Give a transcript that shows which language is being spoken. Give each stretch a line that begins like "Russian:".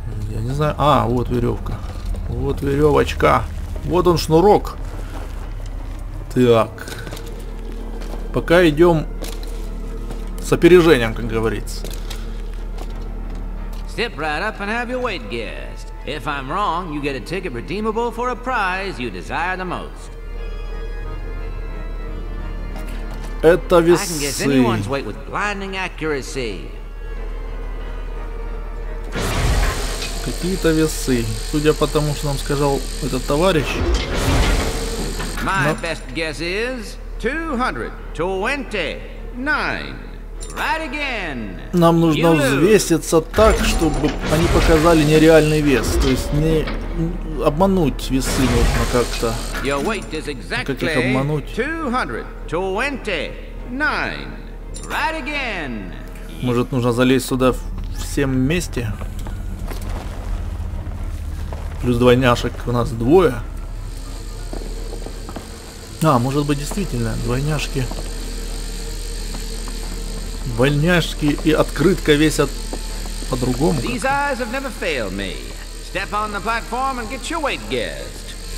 Russian: Я не знаю. А, вот веревка. Вот веревочка. Вот он, шнурок. Так. Пока идем с опережением, как говорится.
English: Step right up and have your weight guessed. If I'm wrong, you get a ticket redeemable for a prize you desire the most.
Russian: Это весы.
English: I can guess anyone's weight with blinding accuracy.
Russian: Какие-то весы. Судя по тому, что нам сказал этот товарищ.
English: My best guess is 229. Right again.
Russian: Нам нужно взвеситься так, чтобы они показали нереальный вес. То есть не обмануть весы нужно как-то.
English: Your weight is exactly 229. Right again.
Russian: Может, нужно залезть сюда всем вместе? Плюс двойняшек у нас двое. А, может быть, действительно, двойняшки. Двойняшки и открытка весят по-другому.
English: These eyes have never failed me. Step on the platform and get your weight guessed.